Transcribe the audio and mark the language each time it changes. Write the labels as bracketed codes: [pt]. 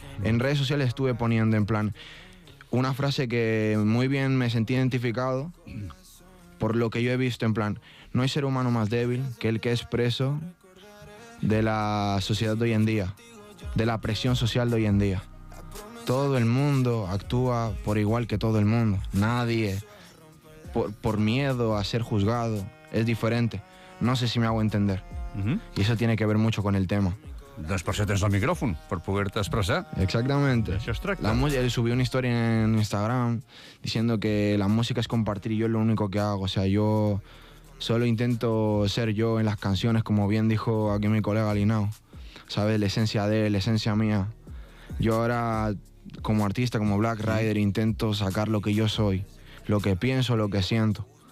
[es] En redes sociales estuve poniendo en plan una frase que muy bien me sentí identificado por lo que yo he visto en plan, no hay ser humano más débil que el que es preso de la sociedad de hoy en día, de la presión social de hoy en día. Todo el mundo actúa por igual que todo el mundo. Nadie, por miedo a ser juzgado, es diferente. No sé si me hago entender. Uh-huh. Y eso tiene que ver mucho con el tema. [ca] Doncs per això tens el micròfon, per poder-te expressar. [es] Exactamente. [ca] Això es tracta. La [es] música, él subió una historia en Instagram diciendo que la música es compartir y yo es lo único que hago. O sea, yo solo intento ser yo en las canciones, como bien dijo aquí mi colega Linao. ¿Sabes? La esencia de él, la esencia mía. Yo ahora, como artista, como Black Rider, intento sacar lo que yo soy, lo que pienso, lo que siento.